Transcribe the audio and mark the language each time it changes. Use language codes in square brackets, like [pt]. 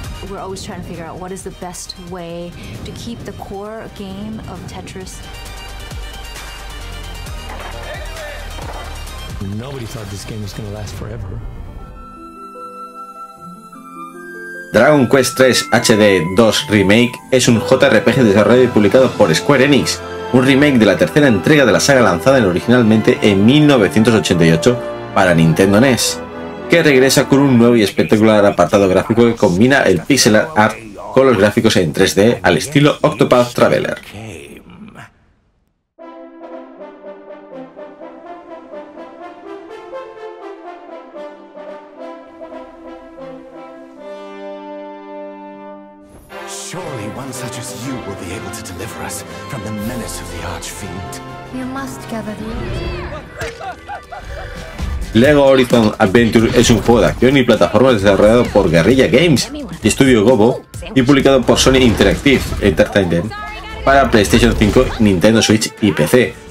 [en] We're always trying to figure out what is the best way to keep the core game of Tetris. Nobody thought this game was going to last forever. [es] Dragon Quest 3 HD 2 Remake es un JRPG desarrollado y publicado por Square Enix, un remake de la tercera entrega de la saga lanzada originalmente en 1988 para Nintendo NES, que regresa con un nuevo y espectacular apartado gráfico que combina el pixel art con los gráficos en 3D al estilo Octopath Traveler. [en] Surely one such as you will be able to deliver us from the menace of the Archfiend. You must gather the [es] LEGO Horizon Adventure es un juego de acción y plataformas desarrollado por Guerrilla Games y Estudio Gobo y publicado por Sony Interactive Entertainment para PlayStation 5, Nintendo Switch y PC.